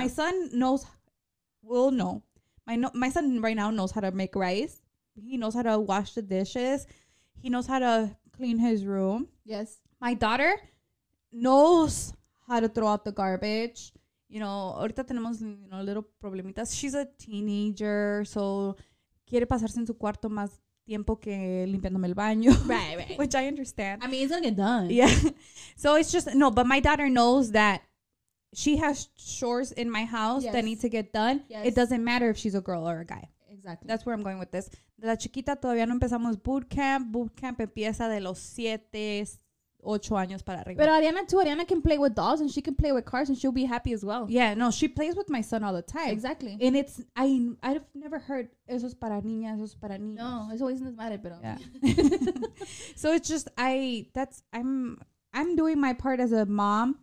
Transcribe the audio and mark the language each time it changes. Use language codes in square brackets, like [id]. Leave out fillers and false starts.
[en] My son knows, will know. My son right now knows how to make rice. He knows how to wash the dishes. He knows how to clean his room. Yes. My daughter knows how to throw out the garbage. You know, [es] ahorita tenemos, [en] you know, little problemitas. She's a teenager, so [es] quiere pasarse en su cuarto más tiempo que limpiándome el baño. [en] Right, right. Which I understand. I mean, it's gonna get done. Yeah. So it's just, no, but my daughter knows that she has chores in my house, yes, that need to get done. Yes. It doesn't matter if she's a girl or a guy. Exactly. That's where I'm going with this. [es] La chiquita todavía no empezamos boot camp. Boot camp empieza de los 7, 8 años para arriba. [en] But Ariana too. Ariana can play with dolls and she can play with cars and she'll be happy as well. Yeah, no, she plays with my son all the time. Exactly. And it's, I've never heard, [es] eso es para niñas, eso es para niños. No, eso always no es madre, pero. [en] Yeah. So it's just, I'm doing my part as a mom.